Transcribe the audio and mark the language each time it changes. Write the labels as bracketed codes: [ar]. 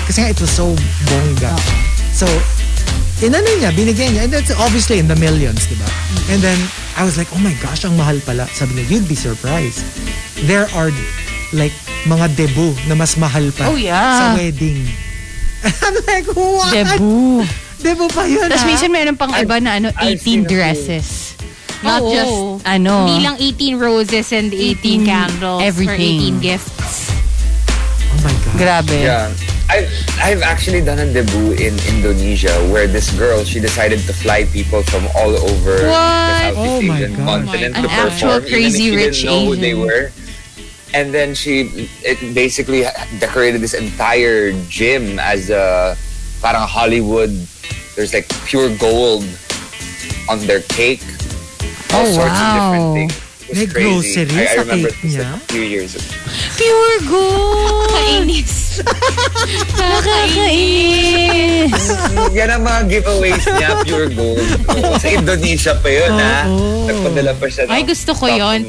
[tl] Kasi nga, [en] it was so bongga. [tl] So, inano niya, binigyan niya. [en] And that's obviously in the millions, diba? And then, I was like, oh my gosh, [tl] ang mahal pala. [en] Sabi niya, you'd be surprised. There are [tl] like mga debut na mas mahal pa. [en] Oh, yeah. Sa wedding. I'm like, what? Debut [tl] pa yun. Tapos minsan mayroon pang iba na ano, 18 dresses. [en] Not just ano. [tl] Hindi lang 18 roses and 18 candles everything. [en] For 18 gifts. [tl] Grabe. [en] Yeah. I've actually done a debut in Indonesia where this girl, she decided to fly people from all over the Southeast Asian continent to perform. An actual crazy rich Asian. She didn't know who they were. And then it basically decorated this entire gym as a parang Hollywood. There's like pure gold on their cake. All sorts of different things. [tl] May grocery sa cake niya? [en] This, like, few years ago. Pure gold! [tl] Kainis! Nakakainis! Yan ang mga giveaways niya, [en] pure gold. [tl] Sa Indonesia pa yun, ha? Nagpadala pa siya. Ay, gusto ko yun.